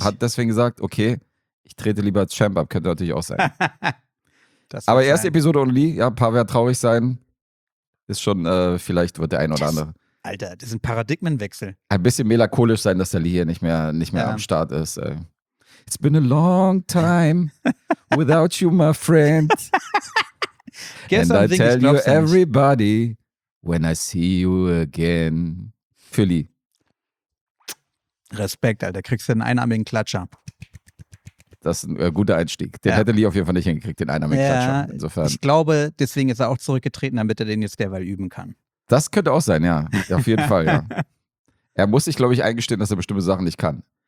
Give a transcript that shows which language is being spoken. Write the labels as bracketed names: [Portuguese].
[German] Und hat deswegen gesagt, okay, ich trete lieber als Champ ab. Könnte natürlich auch sein. Aber erste Episode ohne Lee. Ja, ein paar werden traurig sein. Ist schon, vielleicht wird der ein oder andere. Alter, das ist ein Paradigmenwechsel. Ein bisschen melancholisch sein, dass der Lee hier nicht mehr am Start ist. [English] It's been a long time without you, my friend. And I tell you everybody, when I see you again. Philly. [German] Respekt, Alter. Kriegst du den einarmigen Klatscher. Das ist ein guter Einstieg. Den hätte Lee auf jeden Fall nicht hingekriegt, den einarmigen Klatscher. Insofern. Ich glaube, deswegen ist er auch zurückgetreten, damit er den jetzt derweil üben kann. Das könnte auch sein, ja. Auf jeden Fall, ja. Er muss sich, glaube ich, eingestehen, dass er bestimmte Sachen nicht kann.